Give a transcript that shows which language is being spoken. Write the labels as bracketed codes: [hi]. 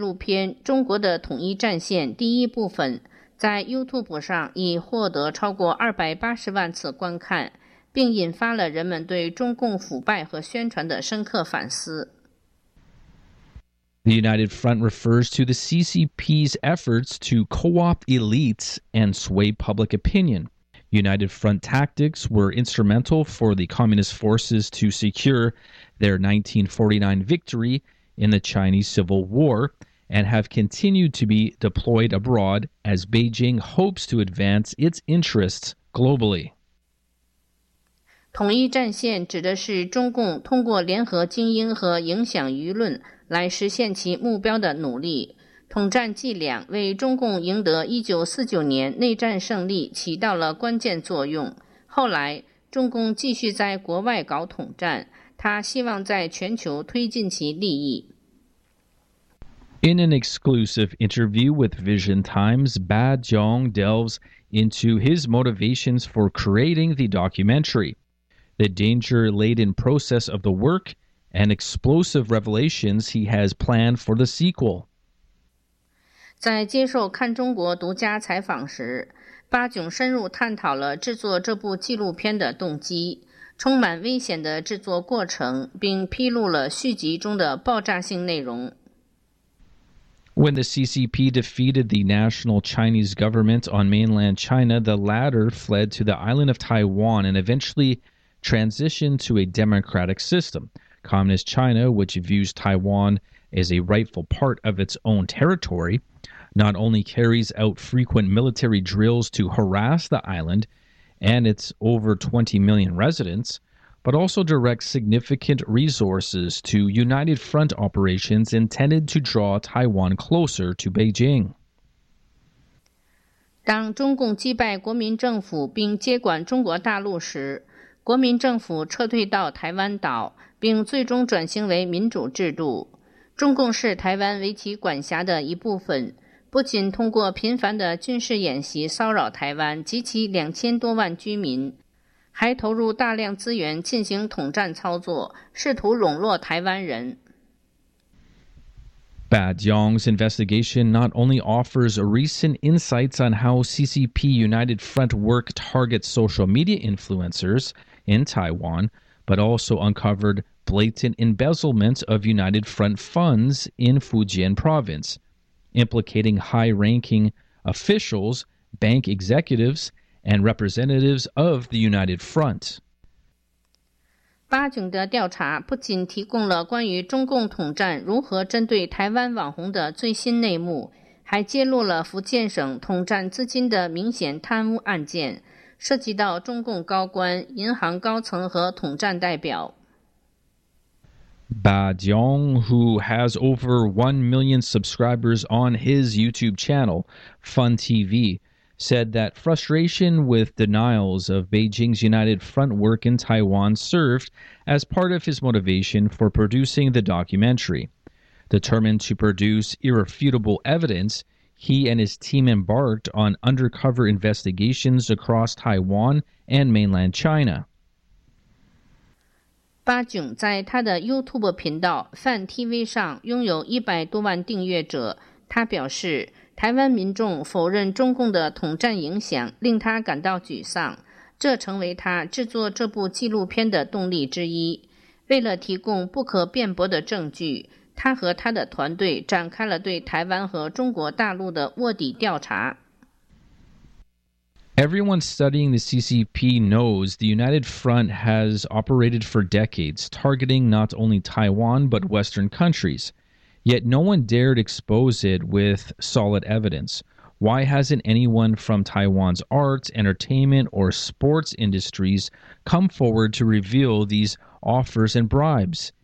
[zh] 入篇《中国的统一战线》第一部分，在 YouTube 上已获得超过280万次观看，并引发了人们对中共腐败和宣传的深刻反思。 [en] The United Front refers to the CCP's efforts to co-opt elites and sway public opinion. United Front tactics were instrumental for the communist forces to secure their 1949 victory in the Chinese Civil War and have continued to be deployed abroad as Beijing hopes to advance its interests globally. [zh] 统一战线指的是中共通过联合精英和影响舆论来实现其目标的努力，统战伎俩为中共赢得1949年内战胜利起到了关键作用。后来，中共继续在国外搞统战，他希望在全球推进其利益。 [en] In an exclusive interview with Vision Times, Ba Zhong delves into his motivations for creating the documentary, the danger-laden process of the work, and explosive revelations he has planned for the sequel. [zh] 在接受看中国独家采访时，巴炯深入探讨了制作这部纪录片的动机、充满危险的制作过程，并披露了续集中的爆炸性内容。 [en] When the CCP defeated the National Chinese government on mainland China, the latter fled to the island of Taiwan and eventually transitioned to a democratic system. Communist China, which views Taiwan as a rightful part of its own territory, not only carries out frequent military drills to harass the island and its over 20 million residents, but also directs significant resources to United Front operations intended to draw Taiwan closer to Beijing. [zh] 当中共击败国民政府并接管中国大陆时，国民政府撤退到台湾岛，并最终转型为民主制度。中共视台湾为其管辖的一部分，不仅通过频繁的军事演习骚扰台湾及其2000多万居民，还投入大量资源进行统战操作，试图笼络台湾人。 [en] Ba Zhong's investigation not only offers recent insights on how CCP United Front work targets social media influencers in Taiwan, but also uncovered blatant embezzlement of United Front funds in Fujian province, implicating high-ranking officials, bank executives, and representatives of the United Front. [zh] 巴炯的调查不仅提供了关于中共统战如何针对台湾网红的最新内幕，还揭露了福建省统战资金的明显贪污案件，涉及到中共高官、银行高层和统战代表。 [en] Ba Zhong, who has over 1 million subscribers on his YouTube channel, Fun TV, said that frustration with denials of Beijing's United Front work in Taiwan served as part of his motivation for producing the documentary. Determined to produce irrefutable evidence, he and his team embarked on undercover investigations across Taiwan and mainland China. [zh] 巴炯在他的 YouTube 频道 Fan TV 上拥有100多万订阅者，他表示台湾民众否认中共的统战影响令他感到沮丧，这成为他制作这部纪录片的动力之一。为了提供不可辩驳的证据，他和他的团队展开了对台湾和中国大陆的卧底调查。 [en] Everyone studying the CCP knows the United Front has operated for decades, targeting not only Taiwan but Western countries. Yet no one dared expose it with solid evidence. Why hasn't anyone from Taiwan's arts, entertainment, or sports industries come forward to reveal these offers and bribes?